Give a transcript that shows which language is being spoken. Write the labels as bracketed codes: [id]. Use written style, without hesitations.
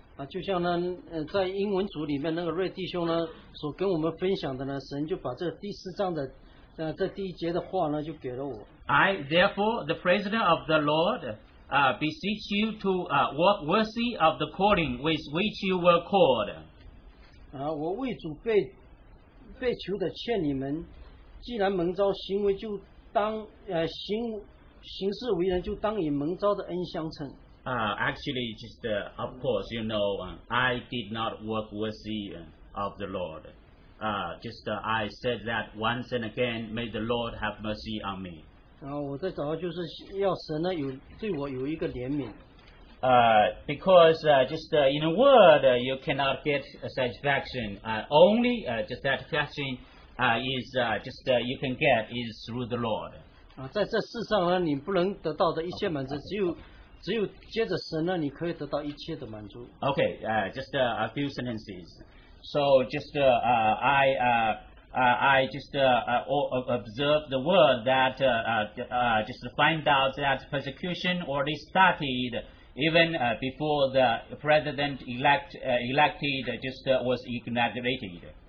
[zh] 就像呢，在英文组里面那个瑞弟兄呢所跟我们分享的呢，神就把这第四章的这第一节的话呢就给了我。 [en] I therefore the prisoner of the Lord beseech you to walk worthy of the calling with which you were called. [zh] 我为主被囚的劝你们，既然蒙召行为就当行事为人就当以蒙召的恩相称。 [en] Of course, you know, I did not work worthy of the Lord. I said that once and again, may the Lord have mercy on me. [zh] 我在找就是要神呢有对我有一个怜悯。 [en] Because in a word, you cannot get satisfaction. Only satisfaction you can get is through the Lord. [zh] 在这世上呢，你不能得到的一切满足， okay. 只有接着神呢，你可以得到一切的满足。 [en] Okay, just a few sentences. So just observe the word that just find out that persecution already started even before the president-elect was inaugurated.